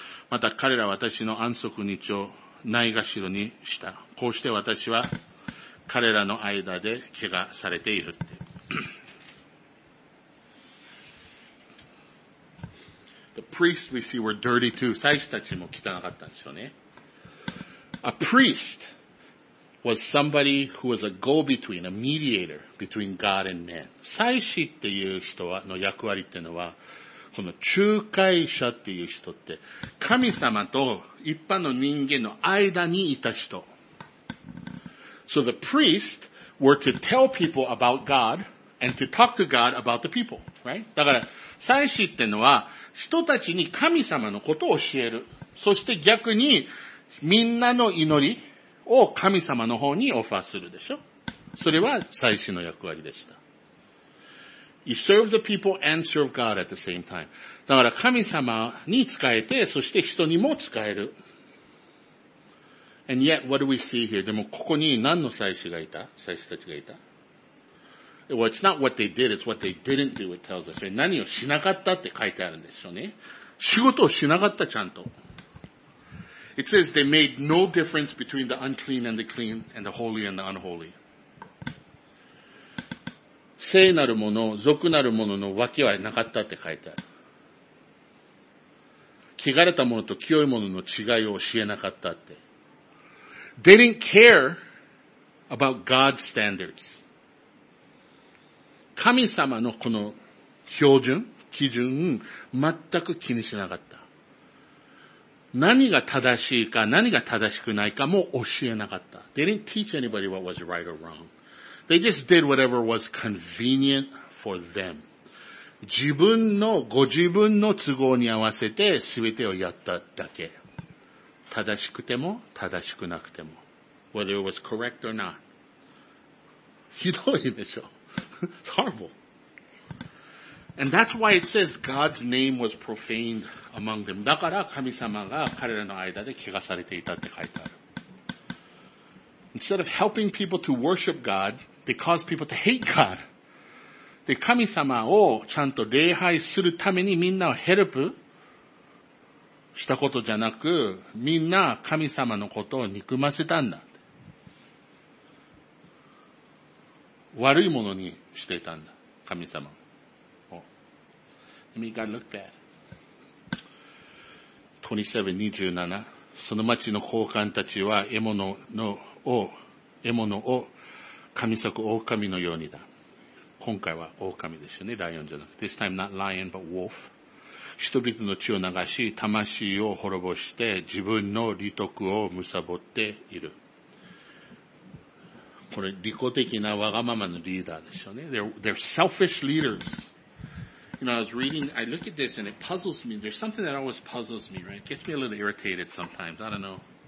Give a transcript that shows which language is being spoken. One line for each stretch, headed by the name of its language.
Japanese: また彼らは私の安息日をないがしろにした。こうして私は彼らの間で汚されているって。
English: The priests we see were dirty too.
Japanese: 祭司たちも汚かったんでしょうね。
English: A priest. Was somebody who was a go-between, a mediator between God and man.
Japanese: 祭司っていう人は、の役割っていうのは、この仲介者っていう人って、神様と一般の人間の間にいた人。
English: So the priest were to tell people about God and to talk to God about the people, right?
Japanese: だから、祭司っていうのは、人たちに神様のことを教える。そして逆に、みんなの祈り、を神様の方にオファーするでしょ。それは祭司の役割でした。
English: You serve the people and serve God at the same time.
Japanese: だから神様に仕えて、そして人にも仕える。
English: And yet, what do we see here?
Japanese: でもここに何の祭司がいた?祭司たちがいた?
English: Well, it's not what they did, it's what they didn't do, it tells us.
Japanese: 何をしなかったって書いてあるんですよね。仕事をしなかった、ちゃんと。
English: It says they made no difference between the unclean and the clean and the holy and the unholy.
Japanese: 聖なるもの、俗なるものの分けはなかったって書いてある。汚れたものと清いものの違いを教えなかったって。
English: They didn't care about God's standards.
Japanese: 神様のこの標準、基準、全く気にしなかった。何が正しいか、何が正しくないかも教えなかった。
English: They didn't teach anybody what was right or wrong. They just did whatever was convenient for them.
Japanese: 自分の、ご自分の都合に合わせて全てをやっただけ。正しくても、正しくなくても。
English: Whether it was correct or not.
Japanese: ひどいでしょ。
English: It's horrible. And that's why it says God's name was profaned among them.
Japanese: だから神様が彼らの間で汚されていたって書いてある。
English: Instead of helping people to worship God, they caused people to hate God.
Japanese: で、神様をちゃんと礼拝するためにみんなをヘルプしたことじゃなく、みんな神様のことを憎ませたんだ。悪いものにしていたんだ、神様。
English: Let me God look at 27:27.
Japanese: その町の高官たちは獲物を神作狼のようにだ。今回は狼ですよね。ライオンじゃなくて。
English: This time not lion but wolf.
Japanese: 人々の血を流し、魂を滅ぼして、自分の利得を貪っている。これ、利己的なわがままのリーダーですよね。
English: They're selfish leaders. You know, I was reading, I look at this and it puzzles me. There's something that always puzzles me, right? It gets me a little irritated sometimes. I don't know.